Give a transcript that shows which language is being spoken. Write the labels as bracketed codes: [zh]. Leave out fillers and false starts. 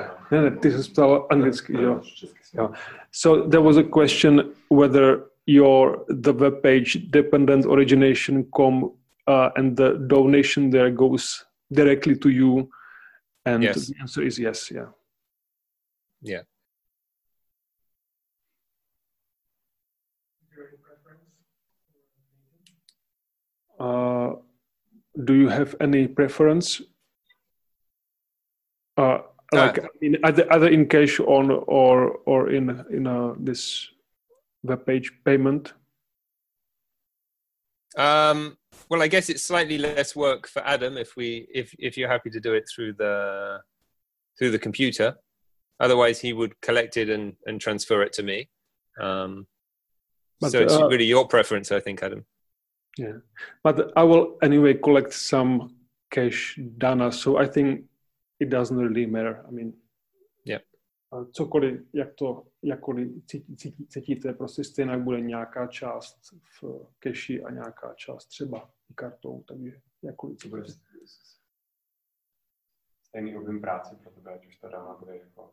[cs] Ne, ty jsi ptal anglicky, jo. [en] So, there was a question whether the web page dependentorigination.com and the donation there goes directly to you, and yes. The answer is yes. Yeah. Yeah. Do you have any preference? Like either in cash or in this. The page payment? Well, I guess it's slightly less work for Adam if you're happy to do it through the computer. Otherwise, he would collect it and transfer it to me. But, so it's really your preference, I think, Adam. Yeah. But I will anyway collect some cash dana, so I think it doesn't really matter. I mean, [cs] cokoliv, jak to cítíte, prostě stejně bude nějaká část v keši a nějaká část třeba kartou, takže jakkoliv cítíte. Stejný objem práce pro tebe, ať už ta dána bude jako...